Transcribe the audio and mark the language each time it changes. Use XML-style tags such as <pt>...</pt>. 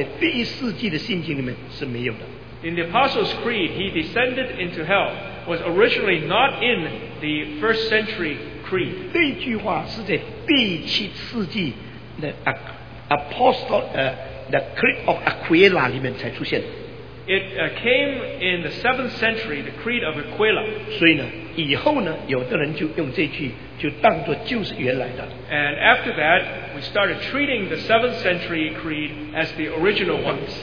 <zh>原来使徒信经里面下阴间这几个字，本来在第一世纪的信经里面是没有的。</zh> <en>In the Apostles' Creed, he descended into hell was originally not in the first century creed.</en> <zh>这句话是在第七世纪的 the Creed of Aquila 里面才出现。</zh> <en>It came in the 7th century, the Creed of Aquila.</en> <zh>所以呢，以后呢，有的人就用这句就当做就是原来的。</zh> <en>And after that, we started treating the 7th century Creed as the original one.</en>